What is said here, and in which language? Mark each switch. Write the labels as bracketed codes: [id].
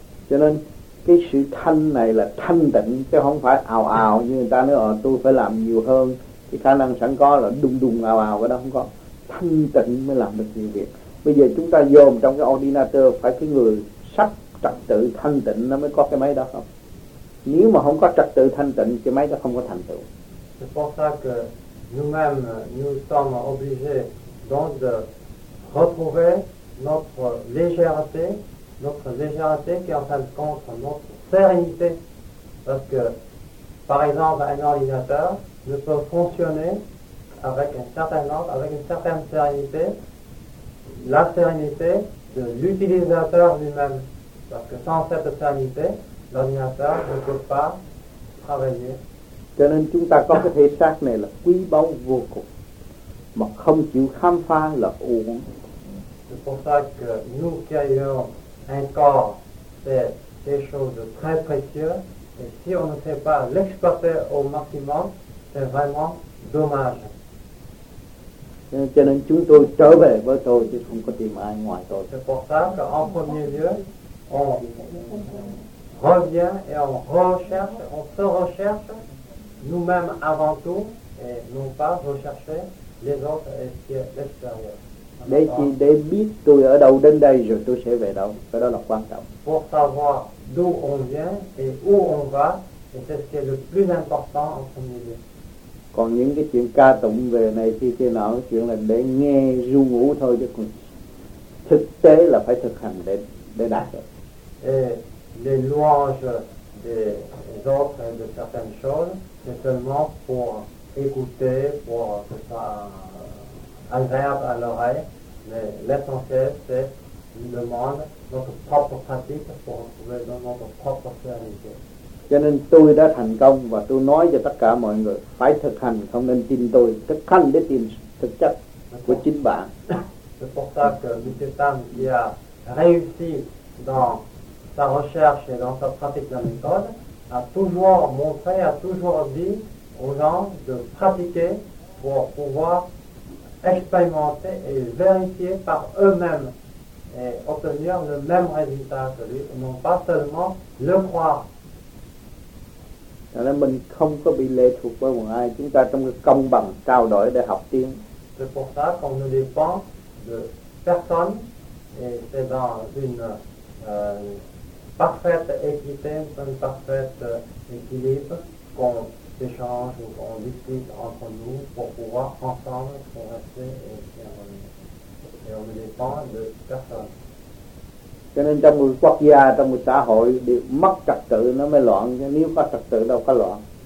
[vi] Cho nên cái sự thanh này là thanh tịnh, chứ không phải ào ào như người ta nói là tôi phải làm nhiều hơn, cái khả năng sẵn có là đùng đùng ào ào, cái đó không có. Thanh tịnh mới làm được nhiều việc. Bây giờ chúng ta dồn trong cái ordinator, phải cái người sắp trật tự thanh tịnh nó mới có cái máy đó không? Nếu mà không có trật tự thanh tịnh, cái máy đó không có thành tựu. [fr] C'est pour ça que nous-mêmes, nous sommes obligés de retrouver notre légèreté, notre légèreté qui est en fin de compte notre sérénité. Parce que, par exemple, un ordinateur ne peut fonctionner avec un certain ordre, avec une certaine sérénité, la sérénité de l'utilisateur lui-même. Parce que sans cette sérénité, l'ordinateur ne peut pas travailler. [vi] Cho nên chúng ta có cái thể xác này là quý báu vô cùng, mà không chịu khám phá là uổng. [fr] C'est pour ça que nous qui ayons un corps, c'est des choses très précieuses, et si on ne sait pas l'exploiter au maximum, c'est vraiment dommage. [vi] Cho nên chúng tôi trở về với tôi, chứ không có tìm ai ngoài tôi. [fr] C'est pour ça qu'en premier lieu, on revient et on recherche, on se recherche nous-mêmes avant tout, et non pas rechercher les autres et ce qui est l'extérieur. [vi] Để biết tôi ở đâu đến đây rồi tôi sẽ về đâu, cái đó là quan trọng. [fr] Pour savoir d'où on vient et où on va, et c'est ce qui est le plus important en premier lieu. [vi] Còn những cái chuyện ca tụng về này thì cái nào chuyện là để nghe ru ngủ thôi, chứ còn thực tế là phải thực hành để đạt được. [fr] Et les louanges des autres de certaines choses, c'est seulement pour écouter, pour que ça agréable à l'oreille, mais l'essentiel c'est le monde, notre propre pratique pour retrouver dans notre propre sérénité. [vi] Cho nên tôi đã thành công và tôi nói cho tất cả mọi người phải thực hành, không nên tin tôi, thực hành để tìm thực chất của chính bạn. [fr] C'est pour ça que M. Tam qui a réussi dans sa recherche et dans sa pratique de la méthode a toujours montré, a toujours dit aux gens de pratiquer pour pouvoir expérimenter et vérifier par eux-mêmes et obtenir le même résultat que lui, non pas seulement le croire. [vi] Cho nên mình không có bị lệ thuộc với một ai, chúng ta trong cái công bằng trao đổi để học tiếng. [fr] C'est pour ça qu'on ne dépend de personne, et c'est dans une parfaite équité, une parfaite équilibre qu'on échange ou qu'on discute entre nous pour pouvoir ensemble progresser et on ne dépend de personne. [vi] cho nên trong một quốc gia, trong một xã hội bị mất trật tự nó mới loạn, chứ nếu có trật tự đâu có loạn.